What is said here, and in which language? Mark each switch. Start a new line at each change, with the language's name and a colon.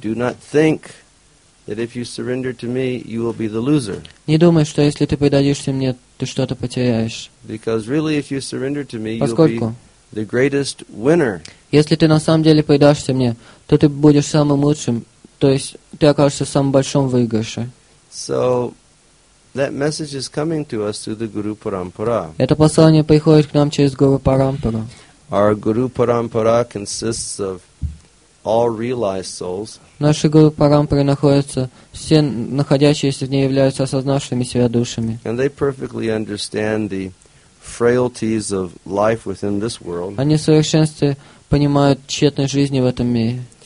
English: Do not think that if you surrender to me, you will be the loser.
Russian: Не думай, что если ты предадишься мне, ты что-то потеряешь.
English: Because really, if you surrender to me,
Russian: Поскольку
English: you'll be the greatest winner.
Russian: Если ты на самом деле предашься мне, то ты будешь самым лучшим, то есть ты окажешься в самом большом выигрыше.
English: So that message is coming to us through the Guru Parampara.
Russian: Это послание приходит к нам через Гуру Парампару.
English: Our Guru Parampara consists of all realized souls.
Russian: Наши Гуру Парампары находятся все находящиеся в ней являются осознавшими себя душами.
English: And they perfectly understand the frailties of life within this world.
Russian: Они в совершенстве понимают тщетность жизни в этом мире.